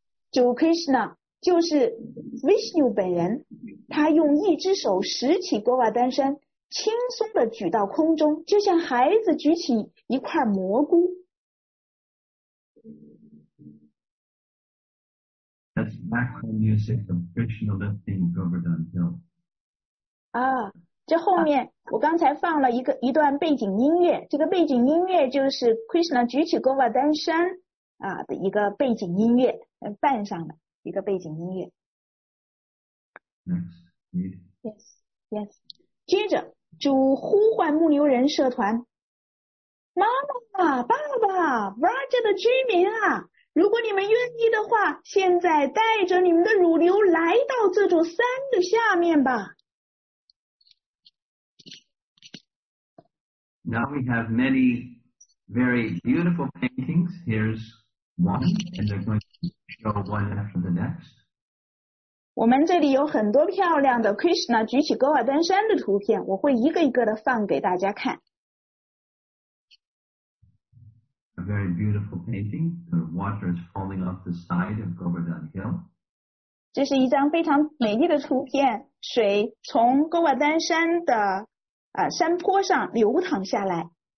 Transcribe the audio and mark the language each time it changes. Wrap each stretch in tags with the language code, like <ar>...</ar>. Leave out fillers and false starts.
<zh>主 Krishna 就是 Vishnu 本人, 他用一只手拾起 Govardhan山, 轻松地举到空中, 就像孩子举起一块蘑菇。</zh> <en>That's background music of Krishna lifting Govardhan Hill.</en> <zh>Ah, 这后面我刚才放了一段背景音乐，这个背景音乐就是 Krishna 举起 Govardhan 山的一个背景音乐，伴上的一个背景音乐。</zh> <en>Next, read. Yes, yes.</en> <zh>接着主呼唤牧牛人社团，妈妈，爸爸 ，Raja 的居民啊。如果你们愿意的话, 现在带着你们的乳牛 来到这座山的下面吧。</zh> <en>Now we have many very beautiful paintings. Here's one, and they're going to show one after the next.</en> <zh>我们这里有很多漂亮的 Krishna 举起 Govardhan山的图片, 我会一个一个的放给大家看。</zh> <en>A very beautiful painting. The water is falling off the side of Govardhan Hill.</en> <zh>这是一张非常美丽的图片，水从高瓦丹山的山坡上流淌下来。</zh>